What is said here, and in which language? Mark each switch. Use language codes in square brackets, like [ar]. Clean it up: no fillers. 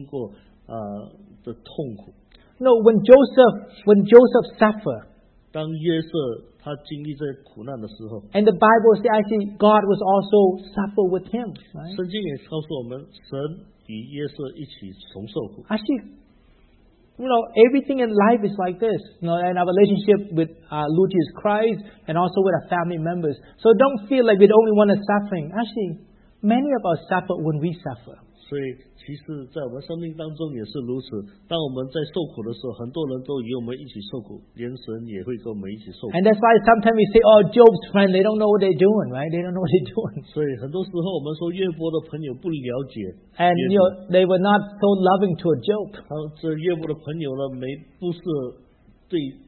[zh] 叫他到这个摩利亚山去献祭，是因为神可以了解亚伯拉罕要经过的痛苦。 [en] No, when Joseph suffered, [zh] 当约瑟他经历这些苦难的时候, [en] and the Bible says actually God was also suffer with him. Right? [zh] 圣经也告诉我们，神与约瑟一起同受苦。 [en] Actually, you know, everything in life is like this. You know, and our relationship with Lucius Christ and also with our family members. So don't feel like we're the only one that's suffering. Actually, many of us suffer when we suffer. [zh] 所以其实在我们生命当中也是如此, 当我们在受苦的时候, 很多人都与我们一起受苦, 连神也会跟我们一起受苦。 [en] And that's why sometimes we say, oh, Job's friend, they don't know what they're doing, right? They don't know what they're doing. [zh] 所以很多时候我们说约伯的朋友不了解, [en] and you know, they were not so loving to a Job. [zh] 这约伯的朋友呢, 没不是对,